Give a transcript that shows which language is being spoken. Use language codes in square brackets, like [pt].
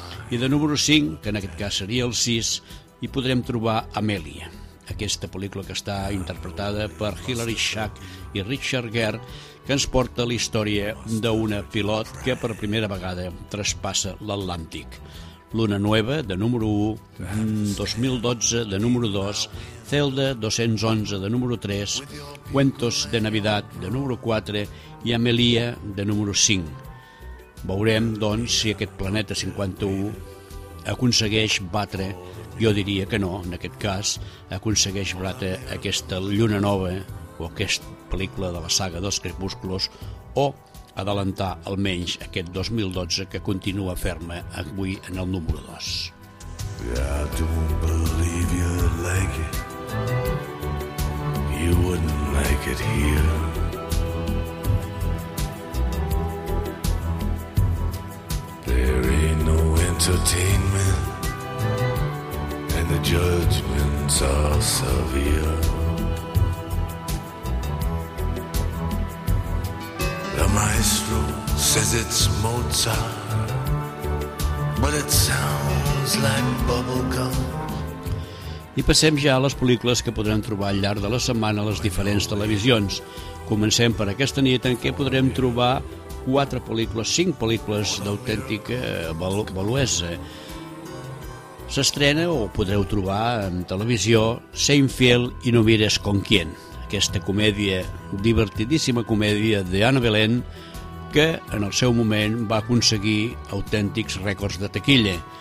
[ca] I de número 5, que en aquest cas seria el 6, hi podrem trobar Amelia, aquesta pel·lícula que està interpretada per Hilary Swank i Richard Gere, que ens porta la història d'una pilot que per primera vegada traspassa l'Atlàntic. Luna Nueva, de número 1, 2012, de número 2, Celda, 211, de número 3, Cuentos de Navidad, de número 4, i Amelia, de número 5. Veurem, doncs, si aquest planeta 51 aconsegueix batre, jo diria que no, en aquest cas, aconsegueix batre aquesta Lluna Nova, o aquesta pel·lícula de la saga dels Crepúsculos, o adelantar almenys aquest 2012 que continua ferma avui en el número 2. [en] I don't believe you'd like it. You wouldn't like it here. There ain't no entertainment and the judgments are severe. Maestro says it's Mozart, but it sounds like bubblegum. [ca] I passem ja a les pel·lícules que podrem trobar al llarg de la setmana a les diferents televisions. Comencem per aquesta nit, en què podrem trobar quatre pel·lícules, cinc pel·lícules d'autèntica valuesa. S'estrena, o podreu trobar en televisió, Sé infiel i no mires con quién, aquesta comèdia, divertidíssima comèdia d'Anna Belén, que en el seu moment va aconseguir autèntics rècords de taquilla.